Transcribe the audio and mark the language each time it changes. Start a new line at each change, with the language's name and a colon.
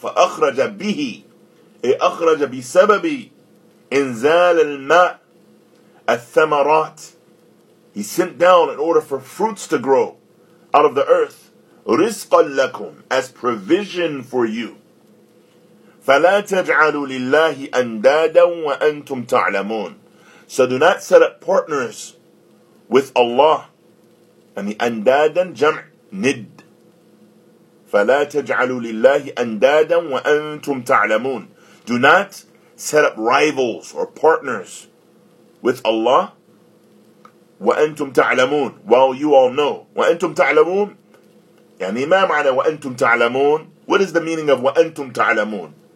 Arabic: فَأَخْرَجَ بِهِ أَخْرَجَ بِسَبَبِ إِنْزَالِ الْمَاءِ الثَّمَرَاتِ.
English: He sent down in order for fruits to grow out of the earth.
Arabic: رِزْقًا لَكُمْ,
English: as provision for you.
Arabic: فَلَا تَجْعَلُوا لِلَّهِ أَنْدَادًا وَأَنْتُمْ تَعْلَمُونَ.
English: So do not set up partners with Allah. And the
Arabic: أَنْدَادًا جَمْعْ نِدْ. فَلَا تَجْعَلُوا لِلَّهِ أَنْدَادًا وَأَنْتُمْ تَعْلَمُونَ.
English: Do not set up rivals or partners with Allah.
Arabic: وَأَنْتُمْ تَعْلَمُونَ.
English: While you all know.
Arabic: وَأَنْتُمْ تَعْلَمُونَ. يعني ما معنى وَأَنْتُمْ تَعْلَمُونَ.
English: What is the meaning of
Arabic: وَأَنْتُمْ تَعْلَمُونَ.